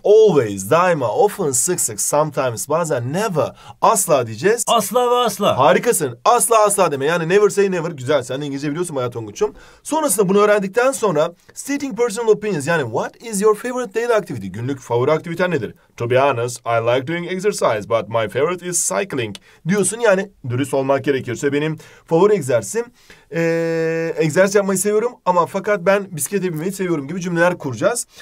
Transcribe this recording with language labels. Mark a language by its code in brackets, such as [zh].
[tr] Always, daima, often, sık sık, sometimes, bazen, never, asla diyeceğiz. Asla ve asla. Harikasın. Asla asla deme. Yani [en] never say never. [tr] Güzel. Sen de İngilizce biliyorsun bayağı Tonguç'um. Sonrasında bunu öğrendikten sonra [en] stating personal opinions, [tr] yani [en] what is your favorite daily activity? [tr] Günlük favori aktiviten nedir? [en] To be honest, I like doing exercise but my favorite is cycling. [tr] Diyorsun, yani dürüst olmak gerekirse benim favori egzersizim. Egzersiz yapmayı seviyorum ama fakat ben bisiklete binmeyi seviyorum gibi cümleler kuracağız.